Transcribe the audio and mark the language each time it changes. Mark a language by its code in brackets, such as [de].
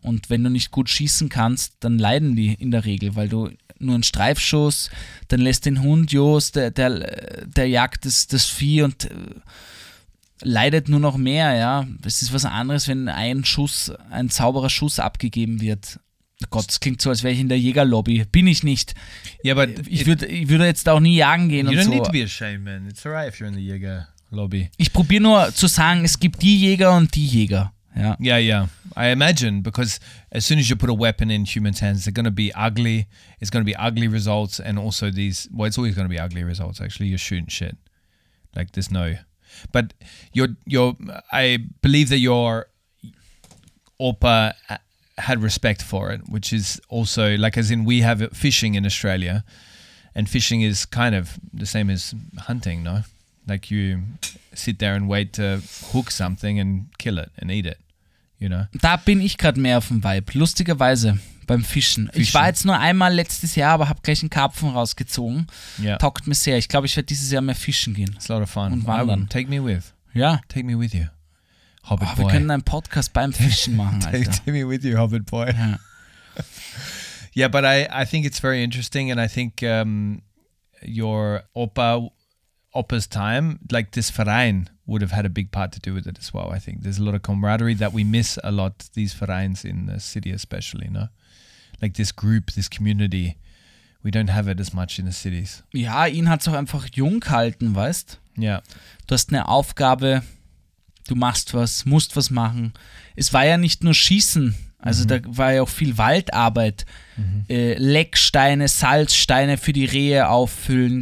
[de] Und wenn du nicht gut schießen kannst, dann leiden die in der Regel, weil du nur einen Streifschuss, dann lässt den Hund los, der jagt das Vieh und leidet nur noch mehr, ja. Das ist was anderes, wenn ein sauberer Schuss abgegeben wird. Gott, das klingt so, als wäre ich in der Jägerlobby. Bin ich nicht. Ja, aber ich würde jetzt auch nie jagen gehen und so. [en] You don't need to be ashamed, man. It's alright if you're in the Jägerlobby. [de] Ich probiere nur zu sagen, es gibt die Jäger und die Jäger. Ja, [en] yeah, yeah. I imagine, because as soon as you put a weapon in humans' hands, they're going to be ugly. It's going to be ugly results, and also it's always going to be ugly results. Actually, you're shooting shit. Like there's no, but you're. I believe that your opa had respect for it, which is also like as in we have fishing in Australia, and fishing is kind of the same as hunting, no? Like you sit there and wait to hook something and kill it and eat it. You know? [de] Da bin ich gerade mehr auf dem Vibe, lustigerweise beim Fischen. Ich war jetzt nur einmal letztes Jahr, aber habe gleich einen Karpfen rausgezogen. [en] Yeah. [de] Taugt mir sehr. Ich glaube, ich werde dieses Jahr mehr fischen gehen. [en] It's a lot of fun. [de] Und wandern. [en] Take me with. [de] Ja. [en] Take me with you, [de] Hobbit Boy. Wir können einen Podcast beim Fischen machen, Alter. [en] Take me with you, Hobbit Boy. [de] Ja. [en] Yeah, but I think it's very interesting and I think your Opa's time, like this Verein, would have had a big part to do with it as well, I think. There's a lot of camaraderie that we miss a lot, these Vereins in the city especially, no? Like this group, this community, we don't have it as much in the cities. [de] Ja, ihn hat's auch einfach jung gehalten, weißt? [en] Yeah. [de] Du hast eine Aufgabe, du machst was, musst was machen. Es war ja nicht nur Schießen, also mm-hmm. da war ja auch viel Waldarbeit. Mm-hmm. Lecksteine, Salzsteine für die Rehe auffüllen.